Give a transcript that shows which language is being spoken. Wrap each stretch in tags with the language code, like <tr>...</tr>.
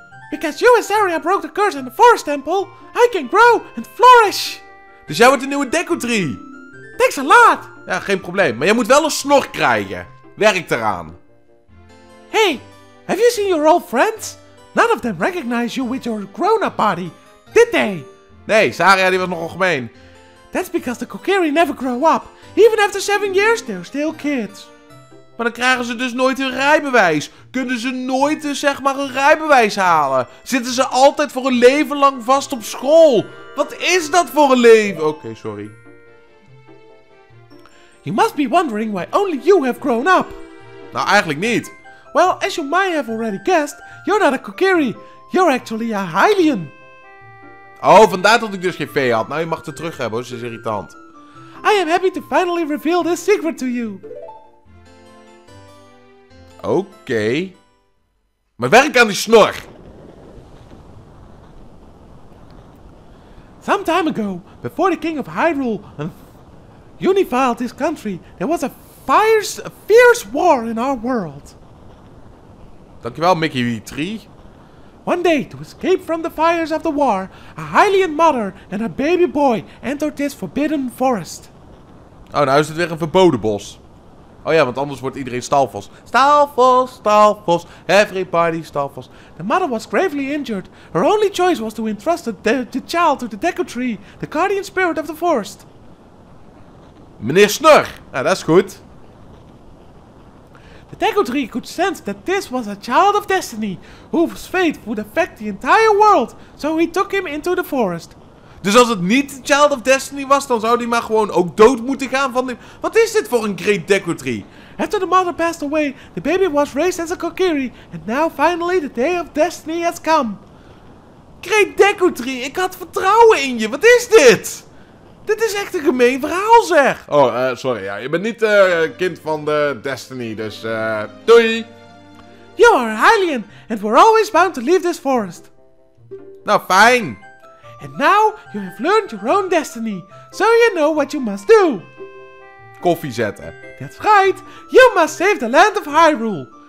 <en>Because you and Saria broke the curse in the forest temple, I can grow and flourish!</en> <nl>Dus jij wordt de nieuwe Deku Tree.</nl> <en>Thanks a lot!</en> <nl>Ja, geen probleem. Maar jij moet wel een snor krijgen. Werk eraan.</nl> <en>Hey, have you seen your old friends? None of them recognize you with your grown-up body, did they?</en> <nl>Nee, Saria die was nogal gemeen.</nl> <en>That's because the Kokiri never grow up. Even after 7 years, they're still kids.</en> <nl>Maar dan krijgen ze dus nooit hun rijbewijs. Kunnen ze nooit dus zeg maar hun rijbewijs halen. Zitten ze altijd voor een leven lang vast op school. Wat is dat voor een leven? Oké, sorry.</nl> <en>You must be wondering why only you have grown up.</en> <nl>Nou, eigenlijk niet.</nl> <en>Well, as you might have already guessed, you're not a Kokiri. You're actually a Hylian.</en> <nl>Oh, vandaar dat ik dus geen vee had. Nou, je mag het terug hebben, hoor. Ze is irritant.</nl> <en>I am happy to finally reveal this secret to you.</en> <nl>Oké. Maar werk aan die snor.</nl> <en>Some time ago, before the king of Hyrule unified this country, there was a fierce war in our world.</en> <nl>Dankjewel, Mickey 3.</nl> <en>One day, to escape from the fires of the war, a Hylian mother and a baby boy entered this forbidden forest.</en> <nl>Oh, nou is het weer een verboden bos. Oh ja, want anders wordt iedereen Stalfos.</nl> <en>Stalfos, Stalfos, everybody Stalfos. The mother was gravely injured. Her only choice was to entrust the child to the Deku Tree, the guardian spirit of the forest.</en> <nl>Meneer Snor, ja, dat is goed.</nl> <en>The Deku Tree could sense that this was a child of destiny, whose fate would affect the entire world, so he took him into the forest.</en> <nl>Dus als het niet de Child of Destiny was, dan zou die maar gewoon ook dood moeten gaan van de... Wat is dit voor een Great Deku Tree?</nl> <en>After the mother passed away, the baby was raised as a Kokiri, and now finally the day of destiny has come.</en> <nl>Great Deku Tree, ik had vertrouwen in je, wat is dit? Dit is echt een gemeen verhaal zeg. Sorry, ja, je bent niet kind van de Destiny, dus doei.</nl> <en>You are a Hylian, and we're always bound to leave this forest.</en> <nl>Nou, fijn.</nl> <en>And now you have learned your own destiny, so you know what you must do.</en> <nl>Koffie zetten.</nl> <en>That's right, you must save the land of Hyrule.</en>